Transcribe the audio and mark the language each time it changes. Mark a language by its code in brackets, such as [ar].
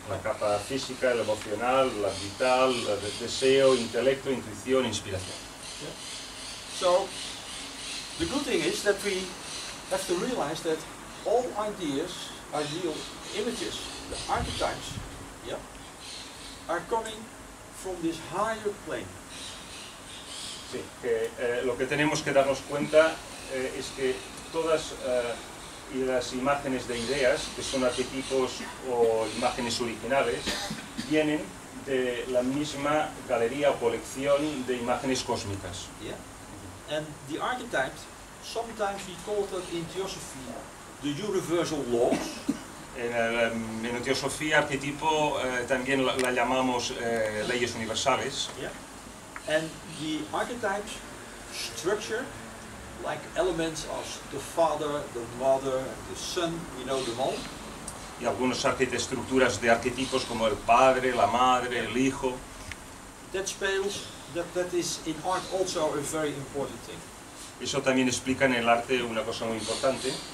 [es] La capa física, el emocional, la vital, el deseo, intelecto, intuición, inspiración. [en] So, the good thing is that we have to realize that all ideas, ideal images, the archetypes, are coming from this higher plane. [es] Sí, que lo que tenemos que darnos cuenta es que todas las imágenes de ideas, que son arquetipos o imágenes originales, vienen de la misma galería o colección de imágenes cósmicas. [en] Yeah. And the archetype, sometimes we call that in theosophy the universal laws. [es] En teosofía, arquetipo también la llamamos leyes universales. [en] Yeah. And the archetypes structure, like elements as the father, the mother, the son, we know them all. [es] Y algunos estructuras de arquetipos como el padre, la madre, el hijo. [en] That is in art also a very important thing. [es] Eso también explica en el arte una cosa muy importante.